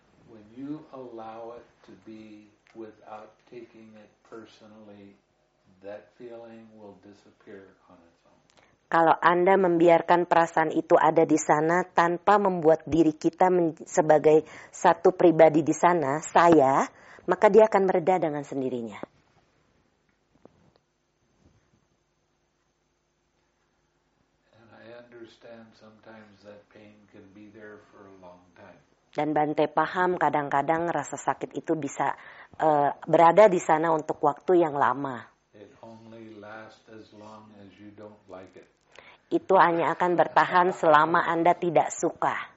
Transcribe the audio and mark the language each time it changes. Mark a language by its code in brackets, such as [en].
[en] When you allow it to be without taking it personally, that feeling will disappear on its own. [id] Kalau Anda membiarkan perasaan itu ada di sana tanpa membuat diri kita sebagai satu pribadi di sana, saya, maka dia akan mereda dengan sendirinya. [en] And I understand sometimes that pain can be there for a long time. [id] Dan Bante paham kadang-kadang rasa sakit itu bisa berada di sana untuk waktu yang lama. [en] It only lasts as long as you don't like it. [id] Itu hanya akan bertahan selama Anda tidak suka.